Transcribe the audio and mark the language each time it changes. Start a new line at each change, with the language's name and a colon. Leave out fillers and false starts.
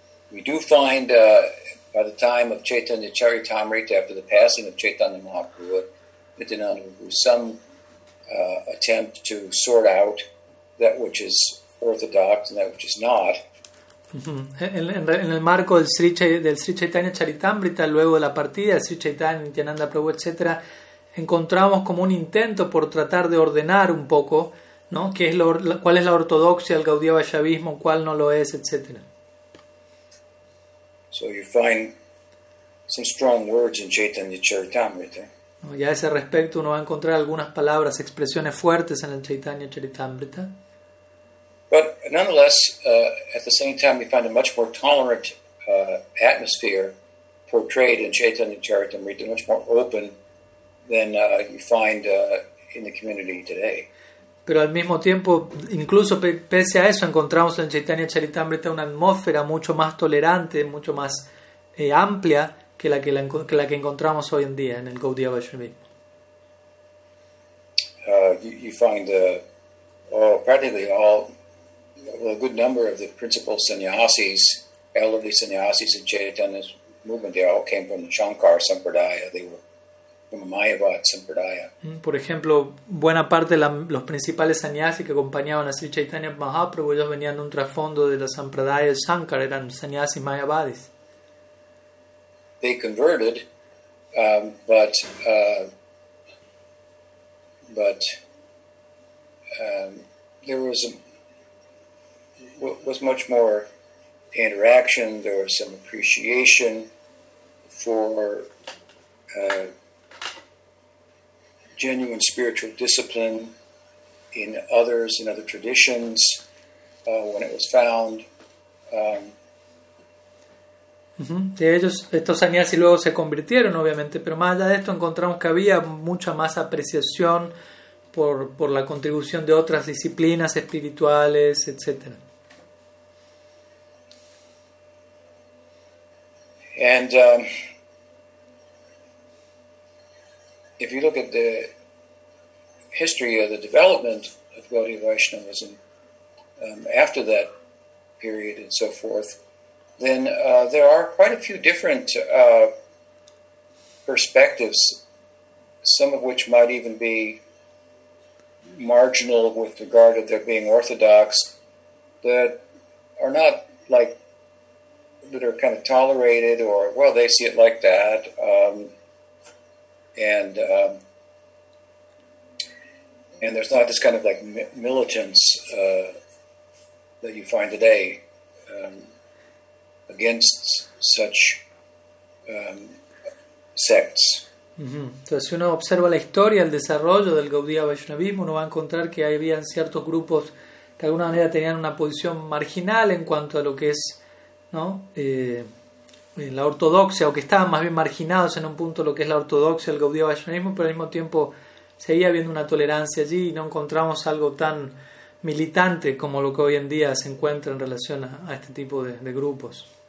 English: We do find, by the time of Chaitanya Charitamrita, after the passing of Chaitanya Mahaprabhu, some attempt to sort out that which is orthodox and that which is not.
Spanish: En el marco del Sri Chaitanya Charitamrita, luego de la partida de Sri Chaitanya, Nityananda Prabhu, etc., encontramos como un intento por tratar de ordenar un poco, ¿no? ¿Cuál es la ortodoxia del Gaudiya Vaishnavismo, cuál no lo es, etc.?
English: So you find some strong words in Chaitanya Charitamrita.
Spanish: Y a ese respecto uno va a encontrar algunas palabras, expresiones fuertes en el Chaitanya Charitamrita.
English: But nonetheless, at the same time, we find a much more tolerant atmosphere portrayed in Chaitanya Charitamrita, much more open than you find in the community today.
Spanish: Pero al mismo tiempo, incluso pese a eso, encontramos en Chaitanya Charitamrita una atmósfera mucho más tolerante, mucho más amplia que la que encontramos hoy en día en el Gaudiya Vaishnavismo.
English: You find practically all, well, a good number of the principal sannyasis, elderly sannyasis in Chaitanya's movement, they all came from the Shankar Sampradaya. They were from the Mayavad Sampradaya.
Spanish: Por ejemplo, buena parte de los principales sannyasis que acompañaban a Sri Chaitanya Mahaprabhu, ellos venían de un trasfondo de la Sampradaya de Shankar, eran sannyasis mayavadis.
English: They converted, there was much more interaction. There was some appreciation for genuine spiritual discipline in others, in other traditions, when it was found.
Spanish: De ellos, estos sannyasi luego se convirtieron, obviamente, pero más allá de esto encontramos que había mucha más apreciación por la contribución de otras disciplinas espirituales, etc.
English: And if you look at the history of the development of Gaudiya Vaishnavism after that period and so forth, then there are quite a few different perspectives, some of which might even be marginal with regard to their being orthodox, that are not like, that are kind of tolerated, or, well, they see it like that. And there's not this kind of like militance that you find today against such sects.
Spanish: Entonces, si uno observa la historia, el desarrollo del Gaudiya Vaishnavismo, uno va a encontrar que había ciertos grupos que de alguna manera tenían una posición marginal en cuanto a lo que es, ¿no?, la ortodoxia, o que estaban más bien marginados en un punto lo que es la ortodoxia del Gaudiya Vaishnavismo, pero al mismo tiempo seguía habiendo una tolerancia allí y no encontramos algo tan militante como lo que hoy en día se encuentra en relación a este tipo de grupos.